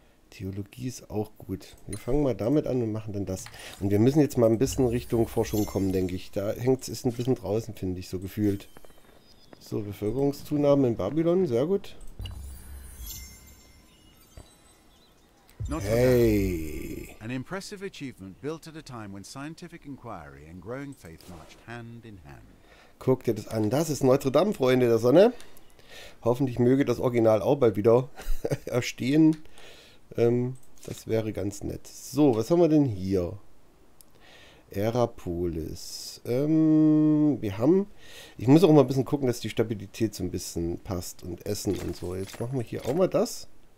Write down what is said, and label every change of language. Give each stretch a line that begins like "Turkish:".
German: Theologie ist auch gut. Wir fangen mal damit an und machen dann das. Und wir müssen jetzt mal ein bisschen Richtung Forschung kommen, denke ich. Da hängt es ist ein bisschen draußen, finde ich, so gefühlt. So, Bevölkerungszunahme in Babylon, sehr gut. Notre Dame. Hey.
English: An impressive achievement built at a time when scientific inquiry and growing faith marched hand in hand.
German: Guck dir das an. Das ist Notre Dame, Freunde der Sonne. Hoffentlich möge das Original auch bald wieder erstehen. Das wäre ganz nett. So, was haben wir denn hier? Aerapolis. Ich muss auch mal ein bisschen gucken, dass die Stabilität so ein bisschen passt und Essen und so. Jetzt machen wir hier auch mal das.